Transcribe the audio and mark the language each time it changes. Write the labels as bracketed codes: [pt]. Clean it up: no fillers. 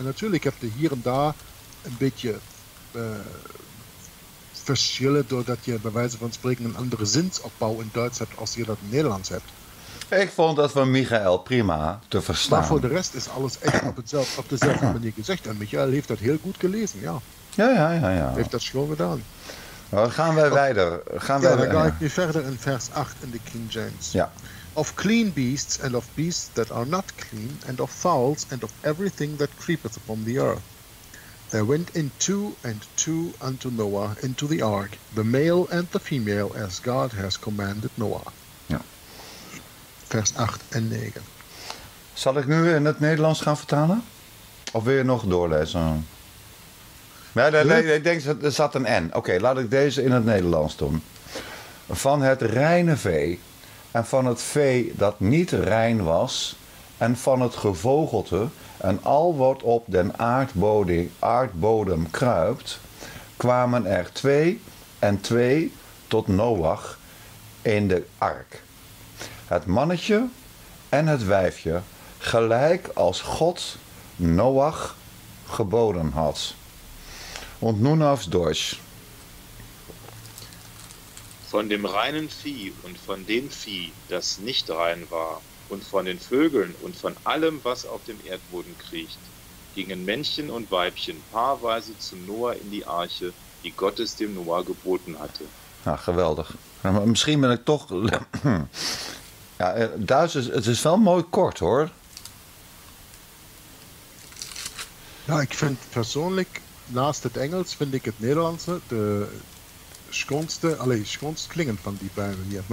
[nl] En natuurlijk heb je hier en daar een beetje verschillen doordat je bij wijze van spreken een andere zinsopbouw in Duits hebt als je dat in Nederlands hebt. Ik vond dat van Michael prima te verstaan. Maar voor de rest is alles echt op dezelfde manier gezegd. En Michael heeft dat heel goed gelezen, ja. Ja, ja, ja, ja. Heeft dat schoon gedaan. Dan gaan wij verder. Ik nu verder in vers 8 in de King James. Ja. [en] Of clean beasts and of beasts that are not clean and of fowls and of everything that creepeth upon the earth. There went in two and two unto Noah into the ark, the male and the female, as God has commanded Noah. [nl] Vers 8 en 9. Zal ik nu in het Nederlands gaan vertalen? Of wil je nog doorlezen? Nee, ik denk dat er zat een N. Oké, laat ik deze in het Nederlands doen. Van het reine vee en van het vee dat niet rein was en van het gevogelte en al wat op den aardbodem kruipt, kwamen er twee en twee tot Noach in de ark. Het mannetje en het wijfje, gelijk als God Noach geboden had. [de] Und nun aufs Deutsch. Von dem reinen Vieh und von dem Vieh, das nicht rein war, und von den Vögeln und von allem, was auf dem Erdboden kriecht, gingen Männchen und Weibchen paarweise zu Noah in die Arche, die Gott es dem Noah geboten hatte. [nl] Ja, geweldig. Misschien bin ich doch... Ja, Duits is, het is wel mooi kort, hoor. Ja, ik vind persoonlijk, naast het Engels, vind ik het Nederlandse de schoonste, alleen schoonst klingend van die Bijbel hier.